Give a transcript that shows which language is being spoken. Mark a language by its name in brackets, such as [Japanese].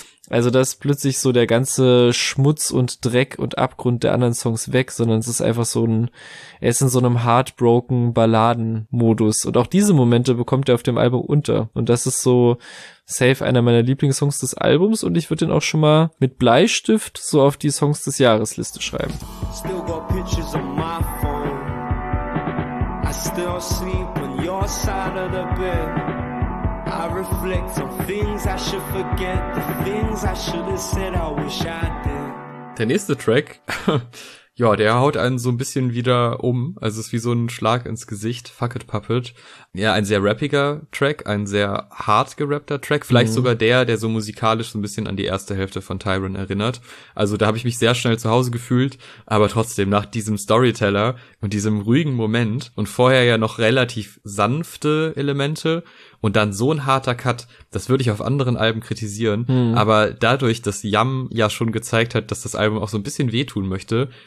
[German] Also da ist plötzlich so der ganze Schmutz und Dreck und Abgrund der anderen Songs weg, sondern es ist einfach so ein, er ist in so einem heartbroken Balladen-Modus. Und auch diese Momente bekommt er auf dem Album unter. Und das ist so safe einer meiner Lieblingssongs des Albums. Und ich würde den auch schon mal mit Bleistift so auf die Songs des Jahresliste schreiben. [English] Still got pictures on my phone. I still sleep on your side of the bed. I reflect on things I should forget, the things I should have said, I wish I did. [German] Der nächste Track, ja, der haut einen so ein bisschen wieder um, also es ist wie so ein Schlag ins Gesicht, Fuck It Puppet. Ja, ein sehr rappiger Track, ein sehr hart gerappter Track, vielleicht sogar der so musikalisch so ein bisschen an die erste Hälfte von Tyrone erinnert. Also da habe ich mich sehr schnell zu Hause gefühlt, aber trotzdem nach diesem Storyteller und diesem ruhigen Moment und vorher ja noch relativ sanfte Elemente und dann so ein harter Cut, das würde ich auf anderen Alben kritisieren, aber dadurch, dass Yam ja schon gezeigt hat, dass das Album auch so ein bisschen wehtun möchte,